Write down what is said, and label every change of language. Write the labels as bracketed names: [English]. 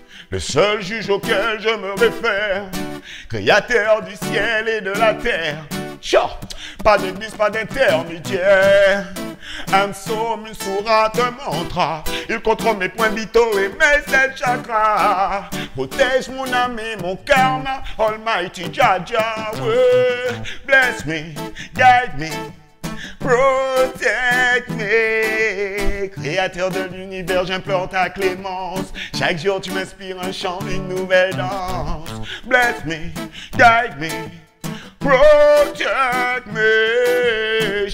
[French] Le seul juge auquel je me réfère. Créateur du ciel et de la terre. Tcha! Pas d'église, pas d'intermédiaire. Un psaume, une sourate, un mantra. Il contrôle mes points vitaux et mes sept chakras. Protège mon âme et mon karma. [English] Almighty Jaja, ouais. Bless me, guide me, protect me. [French] Créateur de l'univers, j'implore ta clémence. Chaque jour tu m'inspires un chant, une nouvelle danse. [English] Bless me, guide me, protect me.